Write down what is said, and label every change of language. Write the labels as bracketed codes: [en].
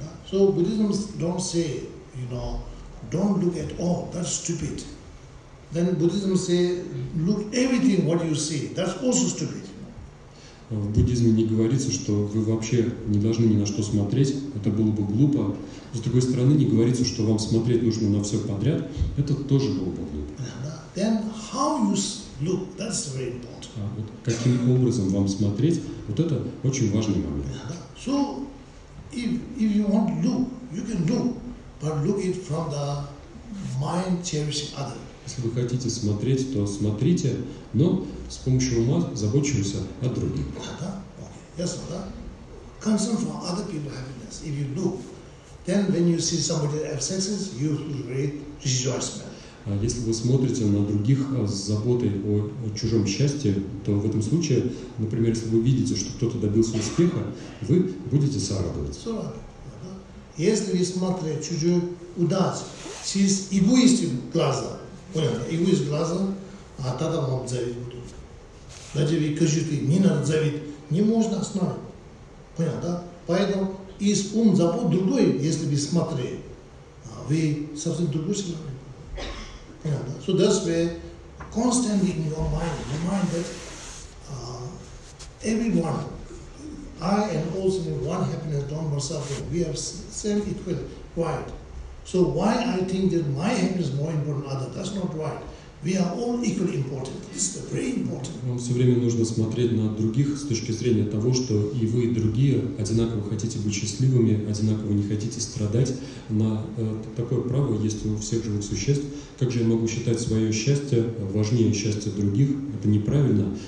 [en] So Buddhism don't say, you know, don't look at all. That's stupid. Then Buddhism say, look everything what you see. That's also stupid. [ru] В буддизме не говорится, что вы вообще не должны ни на что смотреть. Это было бы глупо. С другой стороны, не говорится, что вам смотреть нужно на все подряд. Это тоже было бы глупо. [en] Then how you look? That's very important. [ru] А вот каким образом вам смотреть? Вот это очень важный момент. [en] So, if you want to look, you can look, but look it from the mind cherishing other. [ru] Если вы хотите смотреть, то смотрите, но с помощью ума заботимся о других. Да, [en] okay, [ru] ясно, да? [en] Concern for other people's happiness. If you look, then when you see somebody have success, you feel great rejoicement. [ru] А если вы смотрите на других с заботой о чужом счастье, то в этом случае, например, если вы видите, что кто-то добился успеха, вы будете сорадоваться. Если вы смотрите чужую удачу через эгоистым глазом, понятно, эгоист глазом, а тогда вам завидеть будут. Даже вы кажете, не надо завидеть, не можно остановить. Понятно, да? Поэтому из ум забот другой, если вы смотрите, вы совсем другой человек. [en] So that's where constantly in your mind that everyone, I and all seeing one happiness, Don Marsafo, we have same equal, right. So why I think that my happiness is more important than others, that's not right. We are all equally important. This is very important. [ru] Вам все время нужно смотреть на других с точки зрения того, что и вы, и другие одинаково хотите быть счастливыми, одинаково не хотите страдать. На такое право есть у всех живых существ. Как же я могу считать свое счастье важнее счастья других? Это неправильно.